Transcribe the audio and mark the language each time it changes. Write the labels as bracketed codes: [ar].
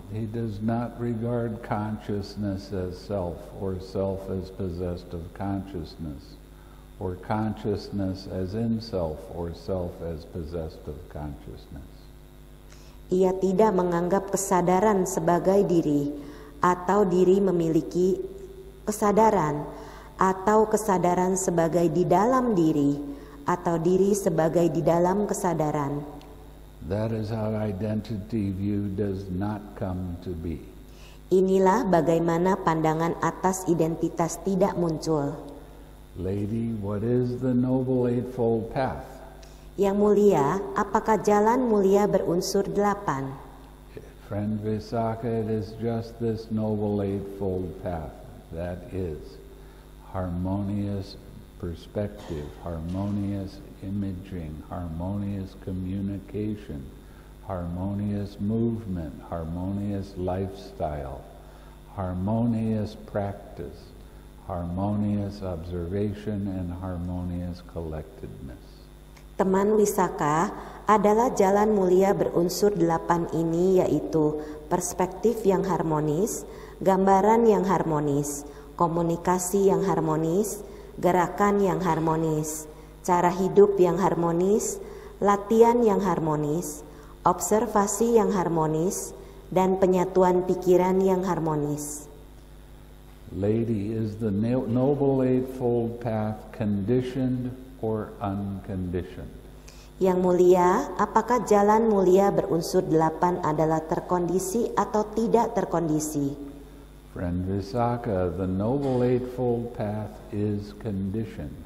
[en] He does not regard consciousness as self or self as possessed of consciousness or consciousness as in self or self as possessed of consciousness. [id] Ia tidak menganggap kesadaran sebagai diri atau diri memiliki kesadaran atau kesadaran sebagai di dalam diri atau diri sebagai di dalam kesadaran. [en] That is how identity view does not come to be. [id] Inilah bagaimana pandangan atas identitas tidak muncul. [en] Lady, what is the Noble Eightfold Path? [id] Yang mulia, apakah jalan mulia berunsur delapan? [en] Friend Visakha, it is just this Noble Eightfold Path. That is harmonious perspective, harmonious imaging, harmonious communication, harmonious movement, harmonious lifestyle, harmonious practice, harmonious observation, and harmonious collectedness. [id] Teman Wisaka adalah jalan mulia berunsur delapan ini, yaitu perspektif yang harmonis, gambaran yang harmonis, komunikasi yang harmonis, gerakan yang harmonis, cara hidup yang harmonis, latihan yang harmonis, observasi yang harmonis, dan penyatuan pikiran yang harmonis. [en] Lady, is the Noble Eightfold Path conditioned or unconditioned? [id] Yang mulia, apakah jalan mulia berunsur delapan adalah terkondisi atau tidak terkondisi? [en] Friend Visakha, the Noble Eightfold Path is conditioned.